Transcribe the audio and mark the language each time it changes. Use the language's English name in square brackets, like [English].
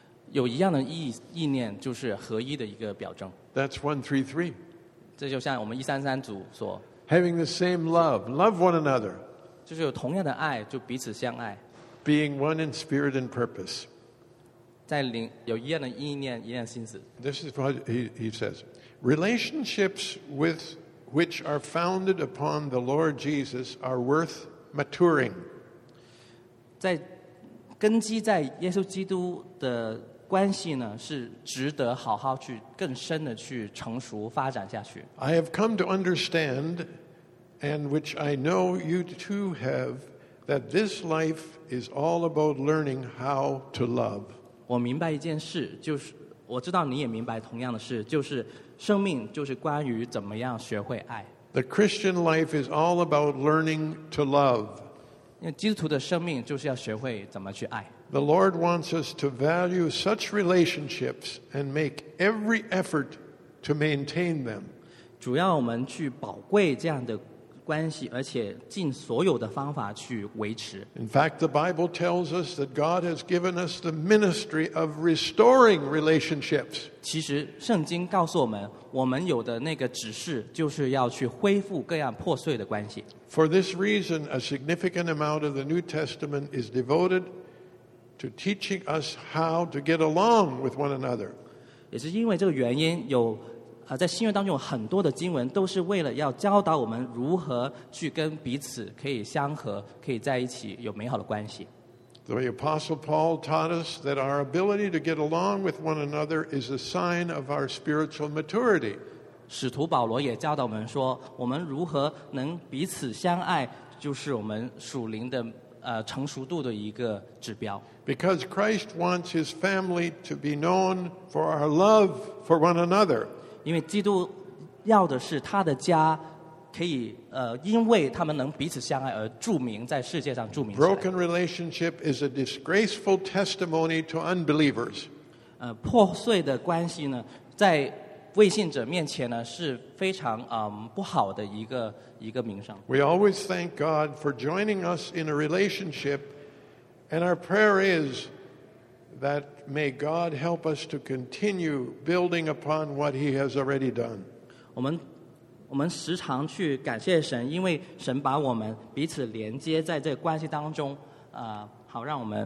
[Chinese] 有一样的意念就是合一的一个表征。 [English] That's 133. [Chinese] 这就像我们133组所 [English] having the same love, love one another. [Chinese] 就是有同样的爱，就彼此相爱。 [English] Being one in spirit and purpose. [Chinese] 在灵有一样的意念，一样的心思。 [English] This is what he says. Relationships with which are founded upon the Lord Jesus are worth maturing. [Chinese] 在根基在耶稣基督的。关系呢是值得好好去更深的去成熟发展下去。 [English] I have come to understand, and which I know you too have, that this life is all about learning how to love. [Chinese] 我明白一件事，就是我知道你也明白同样的事，就是生命就是关于怎么样学会爱。 [English] The Christian life is all about learning to love. [Chinese] 因为基督徒的生命就是要学会怎么去爱。 [English] The Lord wants us to value such relationships and make every effort to maintain them. [Chinese] 主要我们去宝贵这样的关系，而且尽所有的方法去维持。 [English] In fact, the Bible tells us that God has given us the ministry of restoring relationships. [Chinese] 其实圣经告诉我们，我们有的那个指示就是要去恢复各样破碎的关系。 [English] For this reason, a significant amount of the New Testament is devoted to teaching us how to get along with one another. [Chinese] 也是因为这个原因，有在新约当中有很多的经文都是为了要教导我们如何去跟彼此可以相合，可以在一起有美好的关系。 [English] The Apostle Paul taught us that our ability to get along with one another is a sign of our spiritual maturity. [Chinese] 使徒保罗也教导我们说，我们如何能彼此相爱，就是我们属灵的成熟度的一个指标。 [English] Because Christ wants his family to be known for our love for one another. [Chinese] 因为基督要的是他的家可以因为他们能彼此相爱而著名，在世界上著名起来。 [English] Broken relationship is a disgraceful testimony to unbelievers. [Chinese] 破碎的关系呢，在未信者面前呢是非常不好的一个名声。 [English] We always thank God for joining us in a relationship, and our prayer is that may God help us to continue building upon what He has already done. [Chinese] 我们时常去感谢神，因为神把我们彼此连接在这个关系当中，好让我们。